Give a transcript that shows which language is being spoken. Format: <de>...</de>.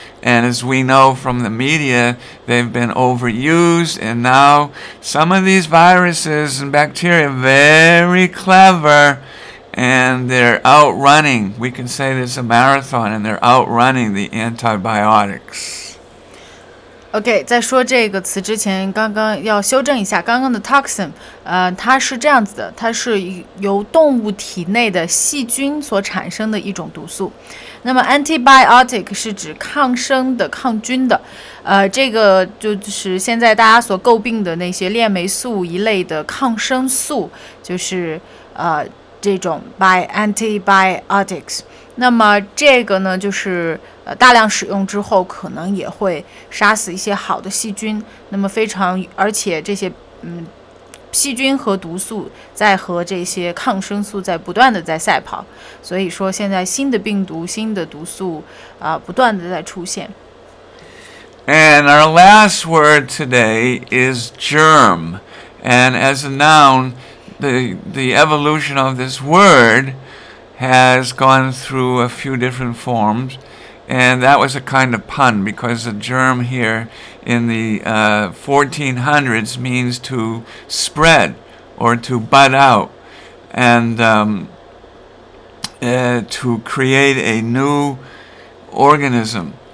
<en>And as we know from the media, they've been overused, and now some of these viruses and bacteria are very clever, and they're outrunning. We can say there's a marathon, and they're outrunning the antibiotics.</en> <zh>Okay, 在说这个词之前，刚刚要修正一下，刚刚的 toxin, 它是这样子的，它是由动物体内的细菌所产生的一种毒素。那么 antibiotic 是指抗生的、抗菌的，这个就是现在大家所诟病的那些链霉素一类的抗生素，就是这种</zh> <en>by antibiotics。</en> <zh>那么这个呢，就是大量使用之后可能也会杀死一些好的细菌。那么非常，而且这些细菌和毒素在和这些抗生素在不断的在赛跑，所以说现在新的病毒、新的毒素不断的在出现。</zh> <en>And our last word today is germ. And as a noun, the evolution of this word has gone through a few different forms. And that was a kind of pun because a germ here in the 1400s means to spread or to bud out and to create a new organism.</en>